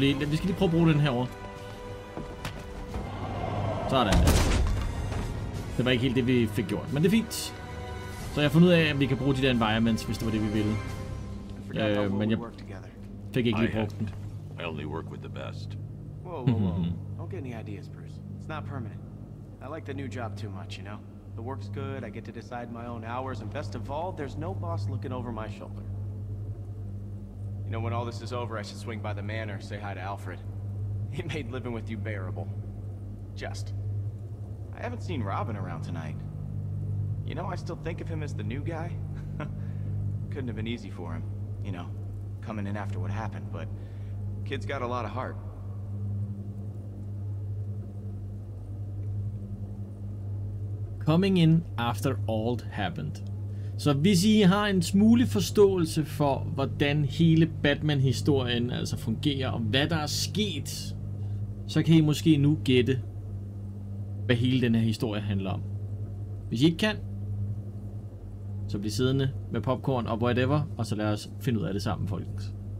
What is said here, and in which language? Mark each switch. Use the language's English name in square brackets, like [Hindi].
[Danish] Vi skal lige prøve at bruge den herovre. Sådan. Det var ikke helt det, vi fik gjort, men det er fint. Så jeg har fundet ud af, at vi kan bruge de der environments, hvis det var det, vi ville. Men jeg fik ikke lige brugt den. [English] I only work with the best. Whoa. Don't get any ideas, Bruce. It's not permanent. I like the new job too much, you know? The work's good, I get to decide my own hours, and best of all, there's no boss looking over my shoulder. You know, when all this is over, I should swing by the manor, say hi to Alfred. He made living with you bearable. Just. I haven't seen Robin around tonight. You know, I still think of him as the new guy. Couldn't have been easy for him, you know, coming in after what happened, but kid's got a lot of heart. Coming in after all happened. [Danish] Så hvis I har en smule forståelse for, hvordan hele Batman-historien altså fungerer, og hvad der er sket, så kan I måske nu gætte, hvad hele den her historie handler om. Hvis I ikke kan, så bliv siddende med popcorn og whatever, og så lad os finde ud af det sammen, folkens.